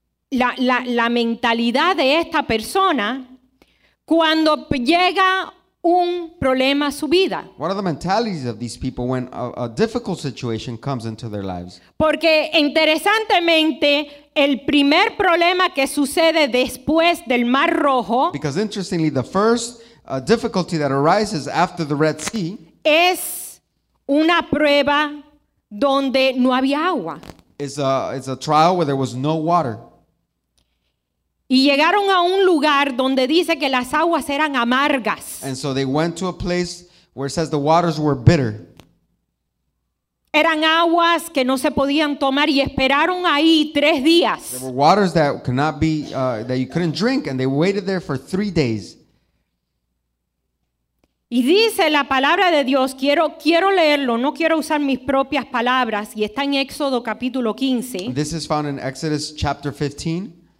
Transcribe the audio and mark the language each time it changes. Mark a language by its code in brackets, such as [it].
[es] La mentalidad de esta persona cuando llega un problema a su vida. [en] What are the mentalities of these people when a difficult situation comes into their lives? [es] Porque interesantemente el primer problema que sucede después del Mar Rojo. [en] Because interestingly, the first difficulty that arises after the Red Sea [es] es una prueba donde no había agua. [en] It's a trial where there was no water. [es] Y llegaron a un lugar donde dice que las aguas eran amargas. [en] And so they went to a place where it says the waters were bitter. [es] Eran aguas que no se podían tomar y esperaron ahí 3 días. [en] There were waters that could not be that you couldn't drink, and they waited there for 3 days. [es] Y dice la palabra de Dios, quiero leerlo, no quiero usar mis propias palabras, y está en Éxodo capítulo 15. [en] This is found in Exodus chapter 15.